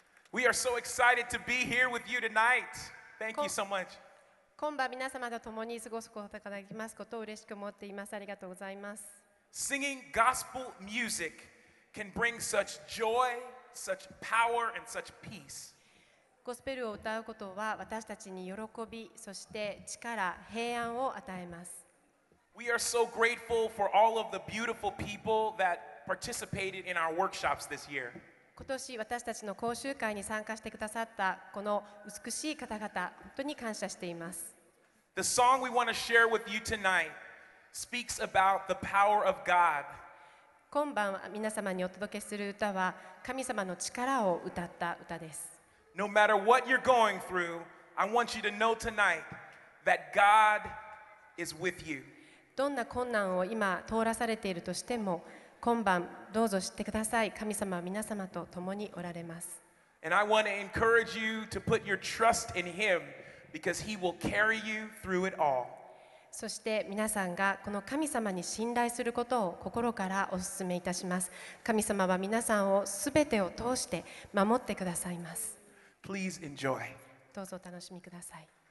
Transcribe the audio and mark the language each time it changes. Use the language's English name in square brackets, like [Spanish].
[English] We are so excited to be here with you tonight. Thank you so much. [Japanese] 今晩皆様と共に過ごすことができますことを嬉しく思っています。ありがとうございます。 [English] Singing gospel music can bring such joy, such power, and such peace. [Japanese] ゴスペルを歌うことは私たちに喜び、そして力、平安を与えます。 [English] We are so grateful for all of the beautiful people that participated in our workshops this year. [Japanese] 今年私たちの講習会に参加してくださったこの美しい方々、本当に感謝しています。 [English] The song we want to share with you tonight speaks about the power of God. [Japanese] 今晩皆様にお届けする歌は神様の力を歌った歌です。 [English] No matter what you're going through, I want you to know tonight that God is with you. [Japanese] どんな困難を今通らされているとしても、今晩どうぞ知ってください。神様は皆様と共におられます。 [English] And I want to encourage you to put your trust in Him because He will carry you through it all. [Japanese] そして皆さんがこの神様に信頼することを心からお勧めいたします。神様は皆さんをすべてを通して守ってくださいます。 [English] Please enjoy. [Japanese] どうぞお楽しみください。